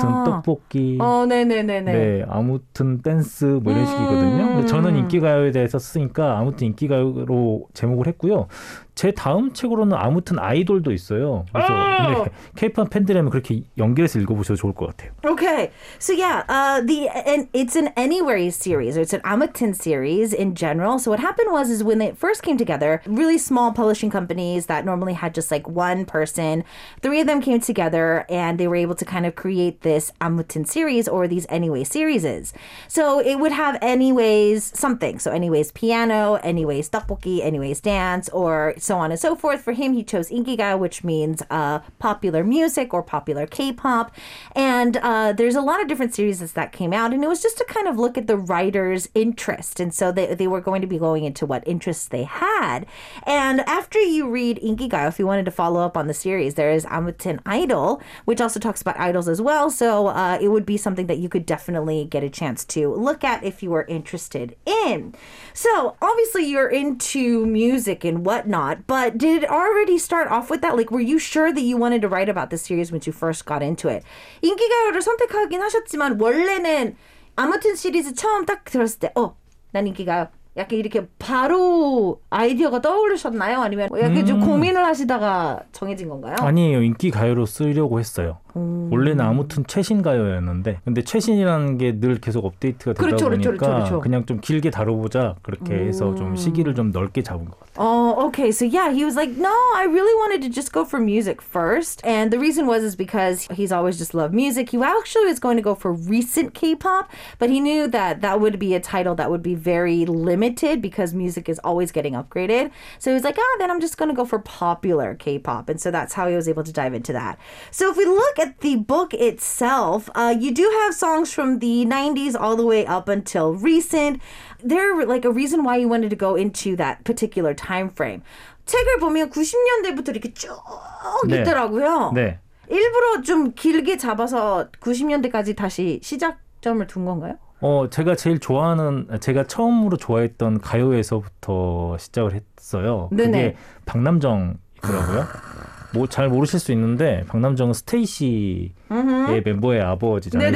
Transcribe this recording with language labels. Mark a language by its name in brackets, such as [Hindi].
[Korean] 아무튼 떡볶이, 네네네네. 네, 아무튼 댄스 뭐 이런 식이거든요. 저는 인기가요에 대해서 쓰니까 아무튼 인기가요로 제목을 했고요. 제 다음 책으로는 아무튼 아이돌도 있어요. 그래서 K-pop 팬들이라면 그렇게 연결해서 읽어보셔도 좋을 것 같아요. [English] Okay, so yeah, it's an Anywhere series, or it's an Amutin series in general. So what happened was, is when it first came together, really small publishing companies that normally had just like one person, three of them came together and they were able to kind of create this Amutin series or these Anyway series. So it would have Anyways something. So Anyways piano, Anyways 떡볶이, Anyways dance, or so on and so forth. For him, he chose Inkigayo, which means popular music or popular K-pop. And there's a lot of different series that came out, and it was just to kind of look at the writer's interest. And so they were going to be going into what interest interests they had. And after you read Inkigayo, if you wanted to follow up on the series, there is Amutin Idol, which also talks about idols as well. So it would be something that you could definitely get a chance to look at if you were interested in. So obviously you're into music and whatnot, but did it already start off with that? Like, were you sure that you wanted to write about the series when you first got into it? [Korean] 인기가요를 선택하긴 하셨지만 원래는 아무튼 시리즈 처음 딱 들었을 때 어, 난 인기가요 약간 이렇게 바로 아이디어가 떠오르셨나요? 아니면 약간 좀 고민을 하시다가 정해진 건가요? 아니에요. 인기가요로 쓰려고 했어요. 원래는 아무튼 최신가요였는데 근데 최신이라는 게 늘 계속 업데이트가 되다 그렇죠, 보니까 그렇죠. 그냥 좀 길게 다뤄보자 그렇게 해서 좀 시기를 좀 넓게 잡은 것 같아요. [English] Okay. So yeah, he was like, no, I really wanted to just go for music first. And the reason was is because he's always just loved music. He actually was going to go for recent K-pop, but he knew that that would be a title that would be very limited because music is always getting upgraded. So he was like, ah, then I'm just going to go for popular K-pop. And so that's how he was able to dive into that. So if we look at the book itself, you do have songs from the 90s all the way up until recent. There like a reason why you wanted to go into that particular time frame. [Korean] 책을 보면 90년대부터 이렇게 쭉 네. 있더라고요. 네. 일부러 좀 길게 잡아서 90년대까지 다시 시작점을 둔 건가요? 제가 제일 좋아하는 제가 처음으로 좋아했던 가요에서부터 시작을 했어요. 네네. 그게 박남정이더라고요. 뭐 잘 모르실 수 있는데 박남정은 스테이시의 멤버의 아버지잖아요.